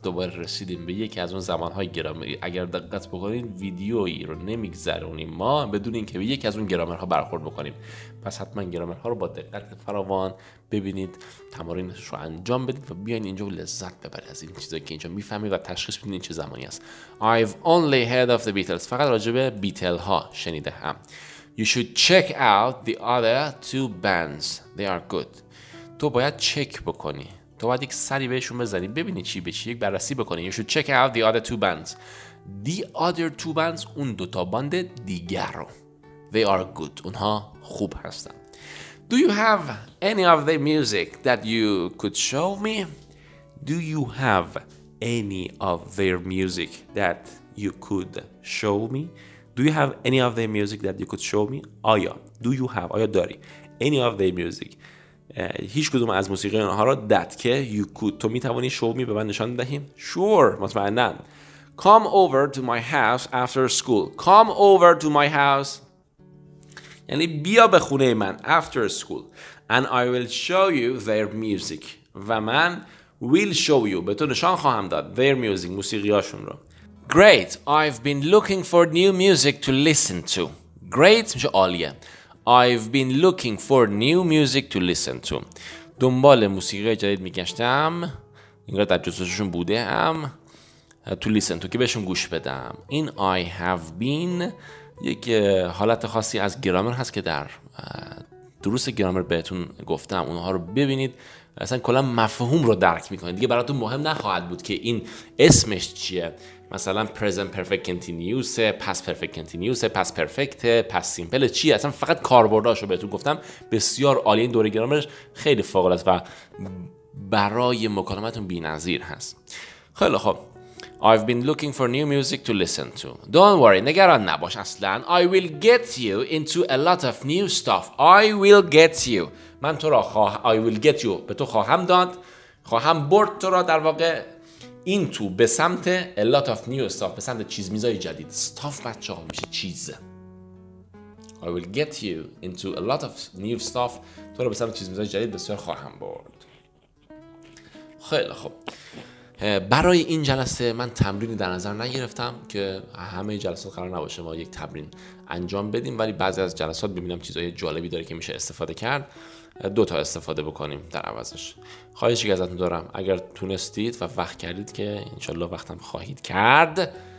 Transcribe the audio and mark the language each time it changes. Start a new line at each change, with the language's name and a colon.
Persian: دوباره رسیدیم به یکی از اون زمانهای گرامری. اگر دقت بکنید ویدیویی رو نمیگذرونیم ما بدون اینکه به یکی از اون گرامرها برخورد بکنیم. پس حتما گرامرها رو با دقت فراوان ببینید، تمارینش رو انجام بدید و بیاین اینجا و لذت ببرید از این چیزایی که اینجا میفهمید و تشخیص بدید چه زمانی است.
English: I've only heard of the Beatles.
Persian: فقط راجع به بیتل ها شنیده هم.
English: You should check out the other two bands.
Persian: They are good. تو باید چک بکنی. تو باید یک سری بهشون بزنی. ببینی چی به چی. یک بررسی بکنی.
English: You should check out the other two bands. The other two bands.
Persian: اون دوتا باند دیگر رو.
English: They are good.
Persian: اونها خوب هستن.
English: Do you have any of the music that you could show me? Do you have any of their music that you could show me? Do you have any of their music that you could show me?
Persian: آیا.
English: Do you have?
Persian: آیا داری?
English: Any of their music.
Persian: هیچ کدوم از موسیقی اونها را that که
English: you could.
Persian: تو میتوانی
English: show me
Persian: به من نشان دهیم؟
English: Sure.
Persian: مطمئنن.
English: Come over to my house after school. Come over to my house.
Persian: یعنی بیا به خونه من
English: after school and I will show you their music
Persian: و من
English: will show you
Persian: به تو نشان خواهم داد
English: their music
Persian: موسیقی هاشون رو.
English: Great, I've been looking for new music to listen to.
Persian: Great میشه عالیه.
English: I've been looking for new music to listen to.
Persian: دنبال موسیقی جدید میگشتم. اینگر در جزوششون بوده هم to listen to که بهشون گوش بدم. این I have been یک حالت خاصی از گرامر هست که در دروس گرامر بهتون گفتم اونها رو ببینید اصلا کلا مفهوم رو درک میکنید دیگه براتون مهم نخواهد بود که این اسمش چیه مثلا present perfect continuous past perfect continuous past perfect past simple چیه اصلا فقط کاربرداش رو بهتون گفتم بسیار عالی این دوره گرامرش خیلی فوق العاده و برای مکالمتون بی‌نظیر هست خیلی خب
English: I've been looking for new music to listen to. Don't worry,
Persian: نگران نباش اصلا.
English: I will get you into a lot of new stuff. I will get you.
Persian: من تو را
English: I will get you.
Persian: به تو خواهم داد. خواهم برد تو را در واقع into به سمت
English: a lot of new stuff.
Persian: به سمت چیزمیزای جدید. Stuff بچه ها میشه چیز.
English: I will get you into a lot of new stuff.
Persian: تو را به سمت چیزمیزای جدید بسیار خواهم برد. خیلی خوب. برای این جلسه من تمرینی در نظر نگرفتم که همه جلسات قرار نباشه ما یک تمرین انجام بدیم ولی بعضی از جلسات ببینم چیزای جالبی داره که میشه استفاده کرد دو تا استفاده بکنیم در عوضش خواهشی که ازتون دارم اگر تونستید و وقت کردید که انشالله وقتم خواهید کرد